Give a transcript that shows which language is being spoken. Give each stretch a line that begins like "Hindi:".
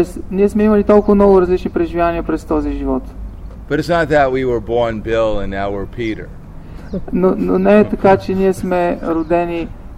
Bulgarian: Ние сме имали толкова много различни преживявания през този живот.
English: But it's not that we were born Bill and now we're Peter.
Bulgarian: Но не е така, че ние сме родени